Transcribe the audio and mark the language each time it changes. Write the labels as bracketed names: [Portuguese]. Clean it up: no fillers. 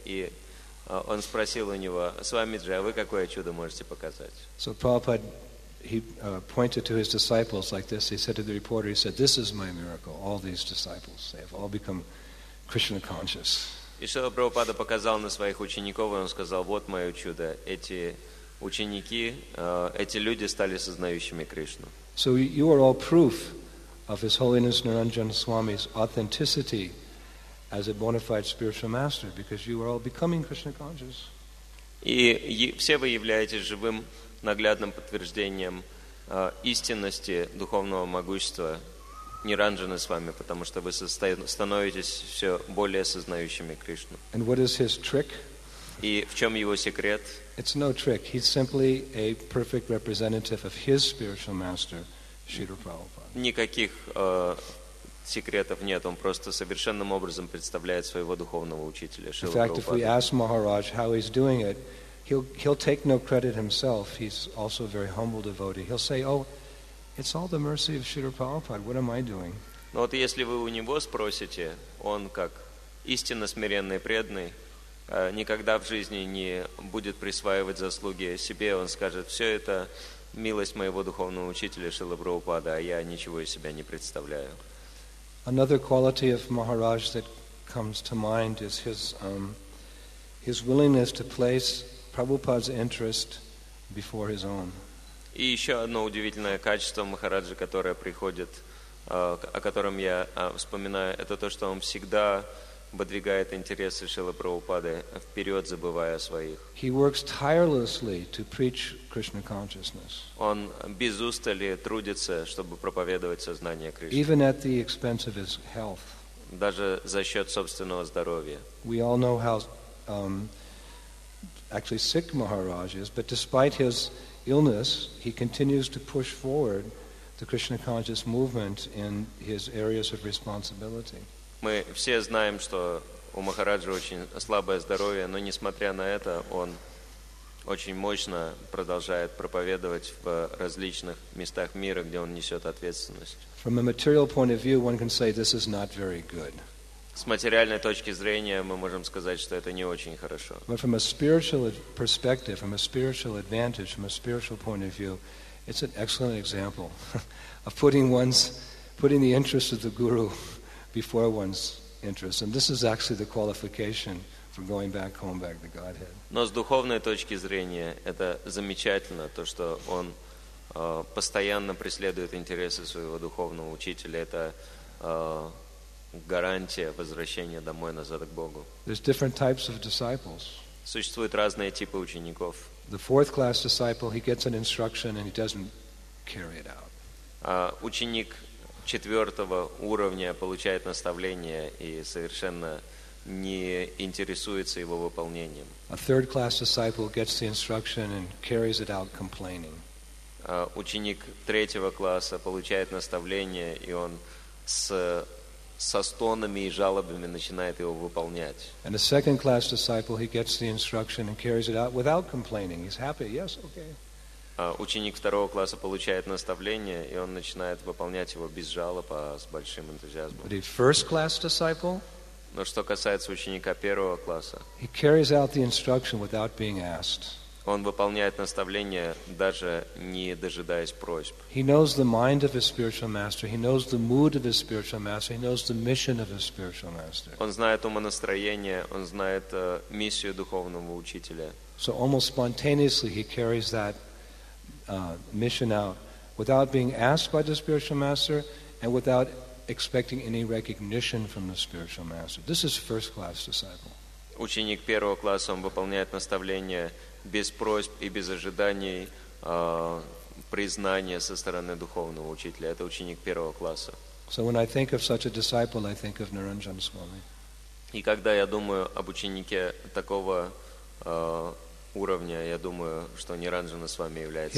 [Russian] И он спросил у него, Свамиджи, а вы какое чудо можете показать? [English] So Prabhupada, he pointed to his disciples like this. He said to the reporter, he said, this is my miracle. All these disciples, they have all become Krishna conscious. [Russian] И Шрила Прабхупада показал на своих учеников, и он сказал, вот мое чудо, эти ученики, эти люди стали сознающими Кришну. [English] So you are all proof of His Holiness Niranjan Swami's authenticity as a bona fide spiritual master, because you are all becoming Krishna conscious. [Russian] И все вы являетесь живым наглядным подтверждением истинности духовного могущества Ниранджаны с вами, потому что вы становитесь все более сознающими Кришну. [English] And what is his trick? [Russian] И в чем его секрет? [English] It's no trick. He's simply a perfect representative of his spiritual master, Шрила Прабхупада. [Russian] Никаких секретов нет. Он просто совершенным образом представляет своего духовного учителя, Шрилу [English] Прабхупаду. In fact, if we ask Maharaj how he's doing it, he'll take no credit himself. He's also a very humble devotee. He'll say, oh, it's all the mercy of Shri Prabhupada. What am I doing? [Russian] Но вот если вы у него спросите, он как истинно смиренный преданный никогда в жизни не будет присваивать заслуги себе. Он скажет, все это милость моего духовного учителя Шрилы Прабхупады, а я ничего из себя не представляю. [English] Another quality of Maharaj that comes to mind is his willingness to place Prabhupada's interest before his own. [Russian] И еще одно удивительное качество Махараджи, которое приходит, о котором я вспоминаю, это то, что он всегда выдвигает интересы Шрилы Прабхупады вперед, забывая о своих. [English] He works tirelessly to preach Krishna consciousness. [Russian] Он без устали трудится, чтобы проповедовать сознание Кришны. [English] Even at the expense of his health. [Russian] Даже за счет собственного здоровья. [English] We all know how actually sick Maharaj is, but despite his illness, he continues to push forward the Krishna conscious movement in his areas of responsibility. [Russian] Мы все знаем, что у Махараджи очень слабое здоровье, но несмотря на это, он, очень мощно продолжает проповедовать в различных местах мира, где он несет ответственность. [English] From a material point of view, one can say this is not very good. [Russian] С материальной точки зрения мы можем сказать, что это не очень хорошо. [English] But from a spiritual perspective, from a spiritual advantage, from a spiritual point of view, it's an excellent example of putting the interests of the guru before one's interests, and this is actually the qualification for going back home, back to Godhead. [Russian] Но с духовной точки зрения это замечательно, то что он постоянно преследует интересы своего духовного учителя. Это гарантия возвращения домой назад к Богу. [English] There's different types of disciples. [Russian] Существуют разные типы учеников. [English] The fourth class disciple, he gets an instruction and he doesn't carry it out. [Russian] Ученик четвертого уровня получает наставление и совершенно не интересуется его выполнением. [English] A third class disciple gets the instruction and carries it out complaining. [Russian] Ученик третьего класса получает наставление и он со стонами и жалобами начинает его выполнять. [English] And a second class disciple, he gets the instruction and carries it out without complaining. He's happy. Yes, okay. [Russian] Ученик второго класса получает наставление, и он начинает выполнять его без жалоб, а с большим энтузиазмом. [English] The first class disciple, [Russian] но что касается ученика первого класса, [English] he carries out the instruction without being asked. [Russian] Он выполняет наставление, даже не дожидаясь просьб. [English] He knows the mind of his spiritual master. He knows the mood of his spiritual master. He knows the mission of his spiritual master. [Russian] Он знает умонастроение, он знает миссию духовного учителя. [English] So almost spontaneously he carries that mission out without being asked by the spiritual master and without expecting any recognition from the spiritual master. This is first-class disciple. [Russian] Ученик первого класса, он выполняет наставление без просьб и без ожиданий признания со стороны духовного учителя. Это ученик первого класса. [English] So when I think of such a disciple, I think of Niranjan Swami. [Russian] И когда я думаю об ученике такого уровня, я думаю, что Ниранджана Свами является